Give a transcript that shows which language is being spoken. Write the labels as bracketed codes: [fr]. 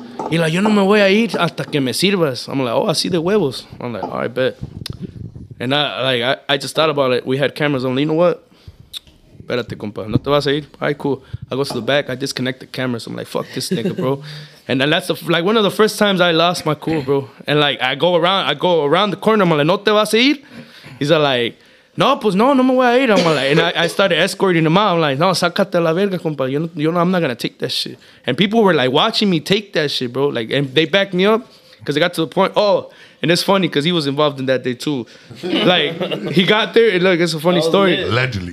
[en] He's like, [es] yo no me voy a ir hasta que me sirvas. [en] I'm like, oh, [es] así de huevos. [en] I'm like, all right, bet. And I just thought about it. We had cameras on. You know what? [es] Espérate, compa. No te vas a ir? [en] All right, cool. I go to the back. I disconnect the cameras. I'm like, fuck this nigga, bro. And then that's like one of the first times I lost my cool, bro. And like, I go around the corner. I'm like, [es] no te vas a ir? [en] He's like, [es] no, pues no, no me voy a ir. [en] I'm like, and I started escorting him out. I'm like, [es] no, sacate la verga, compa. [en] You know, I'm not going to take that shit. And people were like watching me take that shit, bro. Like, and they backed me up because it got to the point. Oh, and it's funny because he was involved in that day too. Like, he got there. And look, it's a funny story. Lit. Allegedly.